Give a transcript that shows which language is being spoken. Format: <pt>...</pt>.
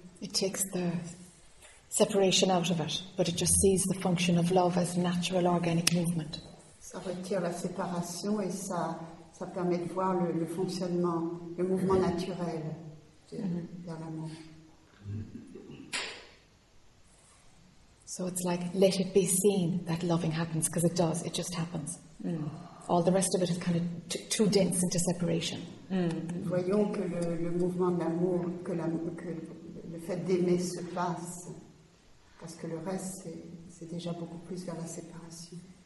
<en>It takes the separation out of it, but it just sees the function of love as natural organic movement.</en> <fr>Ça retire la séparation et ça, ça permet de voir le fonctionnement, le mouvement naturel vers l'amour.</fr> <en>So it's like, let it be seen that loving happens, because it does, it just happens. All the rest of it is kind of too dense into separation.</en> <fr>Voyons que le mouvement de l'amour, que, la, que le fait d'aimer se passe, parce que le reste, c'est déjà beaucoup plus vers la séparation.</fr>